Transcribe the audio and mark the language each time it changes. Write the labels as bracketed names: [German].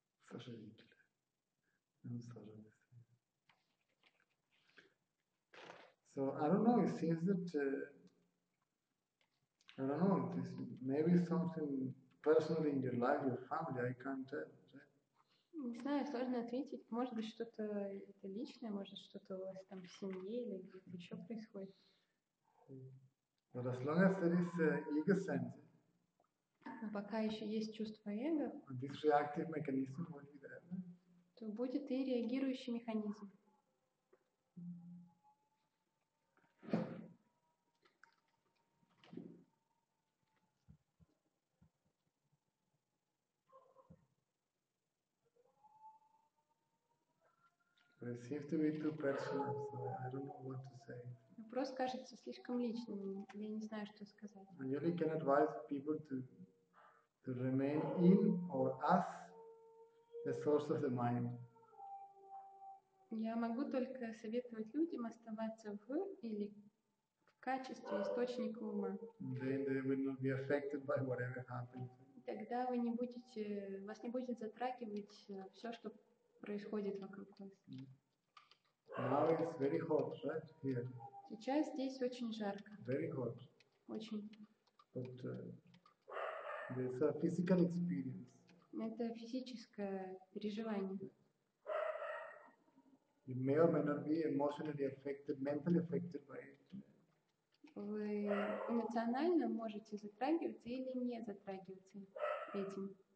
[English] Sasha Hitler. Sasha. So I don't know, it seems that I don't know, this maybe something personal in your life, your family, I can't tell, right? [Russian] Не знаю, сложно ответить. Может быть, что-то это личное, может, что-то у вас там в семье или где-то еще происходит. [English] But as long as there is ego sense. [Russian] Но пока еще есть чувство эго, [English] this reactive mechanism will be there, right? [Russian] То будет и реагирующий механизм. [English] It seems to be too personal, so I don't know what to say. [Russian] Вопрос кажется слишком личным, я не знаю, что сказать. [English] I really can advise people to remain in or as the source of the mind. [Russian] Я могу только советовать людям оставаться в или в качестве источника ума. [English] Then they will not be affected by whatever happens. [Russian] Тогда вы не будете, вас не будет затрагивать все, что происходит вокруг вас. [English] Now it's very hot, right? Here. [Russian] Сейчас здесь очень жарко. [English] Very hot. [Russian] Очень. [English] But it's a physical experience. [Russian] Это физическое переживание. [English] You may or may not be emotionally affected, mentally affected by it. [Russian] Вы эмоционально можете затрагиваться или не затрагиваться этим.